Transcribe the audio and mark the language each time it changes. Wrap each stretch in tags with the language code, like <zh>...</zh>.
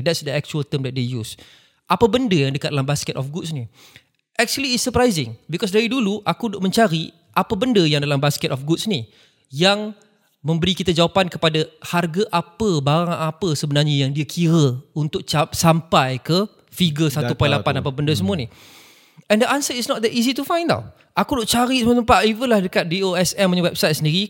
<en>That's the actual term that they use.</en> <ms>Apa benda yang dekat dalam</ms> <en>basket of goods ni? Actually, it's surprising.</en> <ms>Because dari dulu, aku duk mencari apa benda yang dalam basket of goods ni yang memberi kita jawapan kepada harga apa, barang apa sebenarnya yang dia kira untuk sampai ke figure 1.8 apa benda semua ni.</ms> <en>And the answer is not that easy to find tau.</en> <ms>Aku nak cari semua tempat, even lah dekat DOSM punya website sendiri.</ms>